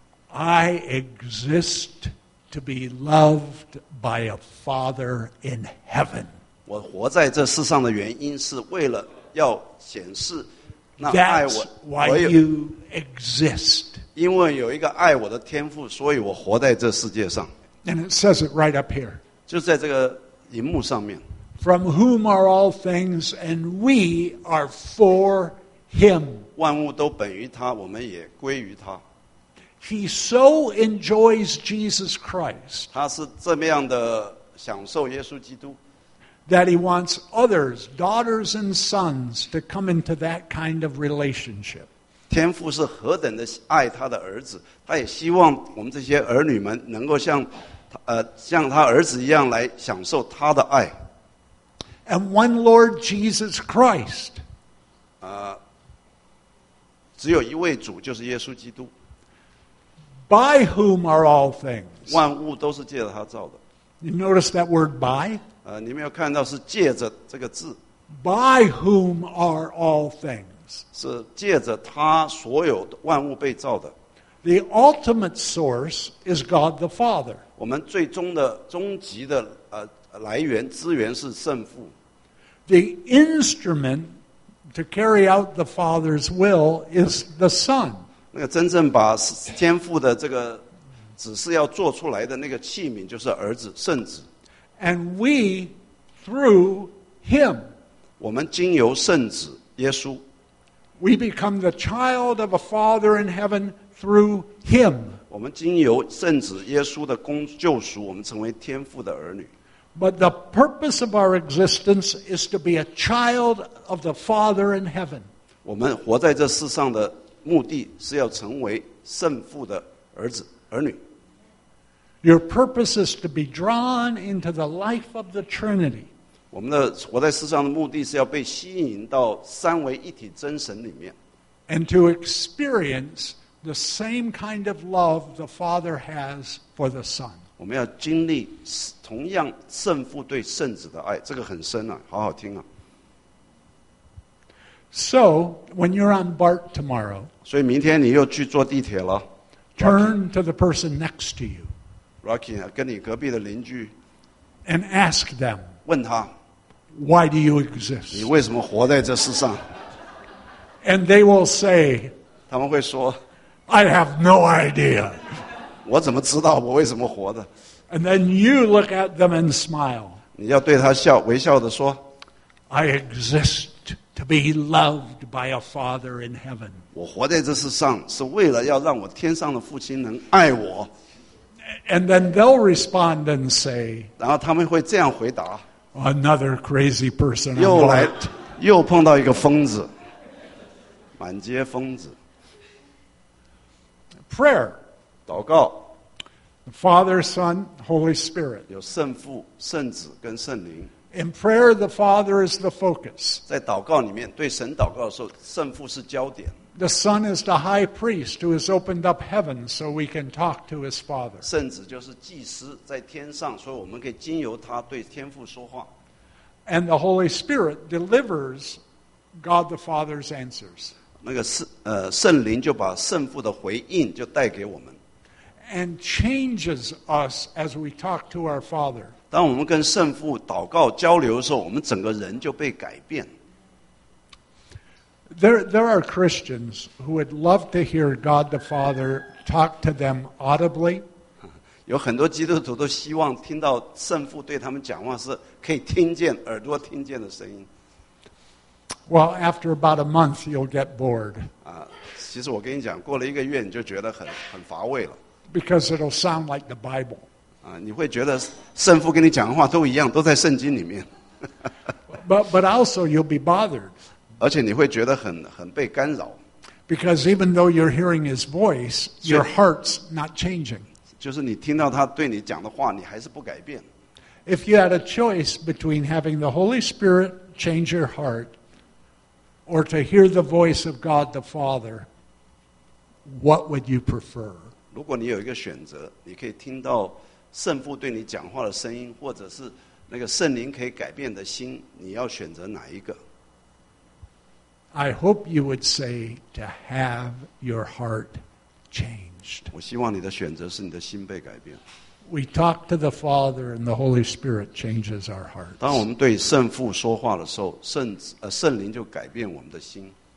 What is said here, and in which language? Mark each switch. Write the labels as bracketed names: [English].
[English] I exist. To be loved by a father in heaven. [Chinese] 我活在这世上的原因是为了要显示那爱我。 [English] That's why you exist. [Chinese] 因为有一个爱我的天父，所以我活在这世界上。 [English] And it says it right up here. [Chinese] 就在这个荧幕上面。 [English] From whom are all things, and we are for him. [Chinese] 万物都本于他，我们也归于他。 [English] He so enjoys Jesus Christ. [Chinese] 他是这么样的享受耶稣基督。 [English] That he wants others, daughters and sons, to come into that kind of relationship. [Chinese] 天父是何等的爱他的儿子，他也希望我们这些儿女们能够像他儿子一样来享受他的爱。 [English] And one Lord Jesus Christ. [Chinese] 只有一位主，就是耶稣基督。 [English] By whom are all things? [Chinese] 万物都是借着他造的。 [English] You notice that word by? [Chinese] 你们有看到是借着这个字。 [English] By whom are all things? [Chinese] 是借着他所有万物被造的。 [English] The ultimate source is God the Father. [Chinese] 我们最终的终极的来源资源是圣父。 [English] The instrument to carry out the Father's will is the Son. [Chinese] 那个真正把天父的这个指示要做出来的那个器皿就是儿子圣子。 [English] And we through him. [Chinese] 我们经由圣子耶稣。 [English] We become the child of a Father in heaven through him. [Chinese] 我们经由圣子耶稣的救赎，我们成为天父的儿女。 [English] But the purpose of our existence is to be a child of the Father in heaven. [Chinese] 我们活在这世上的目的是要成为圣父的儿子儿女。 [English] Your purpose is to be drawn into the life of the Trinity. [Chinese] 我们的活在世上的目的是要被吸引到三位一体真神里面。 [English] And to experience the same kind of love the Father has for the Son. [Chinese] 我们要经历同样圣父对圣子的爱，这个很深啊，好好听啊。 [English] So, when you're on BART tomorrow, [Chinese] 所以明天你又去坐地铁了。 [English] Turn to the person next to you. [Chinese] Rocky, 跟你隔壁的邻居。 [English] And ask them. [Chinese] 问他。 [English] Why do you exist? [Chinese] 你为什么活在这世上？ [English] And they will say. [Chinese] 他们会说。 [English] I have no idea. [Chinese] 我怎么知道我为什么活的？ [English] And then you look at them and smile. [Chinese] 你要对他笑，微笑地说。 [English] I exist to be loved by a Father in heaven. [Chinese] 我活在这世上是为了要让我天上的父亲能爱我。 [English] And then they'll respond and say, [Chinese] 然后他们会这样回答。 [English] Another crazy person. [Chinese] 又碰到一个疯子。满街疯子。 [English] Prayer. [Chinese] 祷告。 [English] The Father, Son, Holy Spirit. [Chinese] 有圣父、圣子跟圣灵。 [English] In prayer, the Father is the focus. [Chinese] 在祷告里面，对神祷告的时候，圣父是焦点。 [English] The Son is the high priest who has opened up heaven so we can talk to his Father. [Chinese] 圣子就是祭司在天上，所以我们可以经由他对天父说话。 [English] And the Holy Spirit delivers God the Father's answers. [Chinese] 那个圣灵就把圣父的回应就带给我们。 [English] And changes us as we talk to our Father. [Chinese] 当我们跟圣父祷告交流的时候，我们整个人就被改变。 [English] There are Christians who would love to hear God the Father talk to them audibly. [Chinese] 有很多基督徒都希望听到圣父对他们讲话是可以听见，耳朵听见的声音。 [English] Well, after about a month, you'll get bored. [Chinese] 其实我跟你讲，过了一个月你就觉得很乏味了。 [English] Because it'll sound like the Bible. [Chinese] 你会觉得圣父跟你讲的话都一样，都在圣经里面。 [English] but also you'll be bothered. [Chinese] 而且你会觉得很被干扰。 [English] Because even though you're hearing his voice, your heart's not changing. [Chinese] 就是你听到他对你讲的话，你还是不改变。 [English] If you had a choice between having the Holy Spirit change your heart or to hear the voice of God the Father, what would you prefer? [Chinese] 如果你有一个选择，你可以听到圣父对你讲话的声音，或者是那个圣灵可以改变的心，你要选择哪一个？ [English] I hope you would say to have your heart changed. [Chinese] 我希望你的选择是你的心被改变。 [English] We talk to the Father and the Holy Spirit changes our hearts. [Chinese] 当我们对圣父说话的时候，圣灵就改变我们的心。